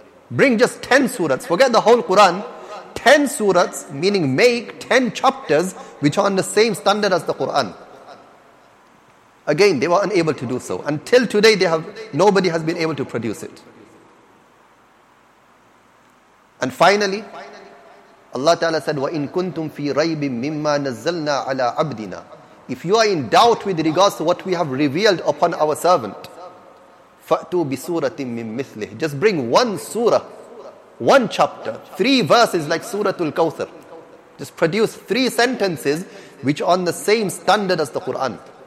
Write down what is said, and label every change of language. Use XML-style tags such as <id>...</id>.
<en>Bring just 10 surahs. Forget the whole Quran. 10 surahs, meaning make 10 chapters which are on the same standard as the Quran. Again, they were unable to do so. Until today, nobody has been able to produce it. And finally, Allah Ta'ala said,</en> <ar>وَإِن كُنْتُمْ فِي رَيْبٍ مِمَّا نَزَّلْنَا عَلَىٰ عَبْدِنَا.</ar> <en>If you are in doubt with regards to what we have revealed upon our servant,</en> <ar>فَأْتُوا بِسُورَةٍ مِّن مِثْلِهِ.</ar> <en>Just bring one surah, one chapter, three verses like Suratul Kawthar. Just produce three sentences which are on the same standard as the Quran.</en>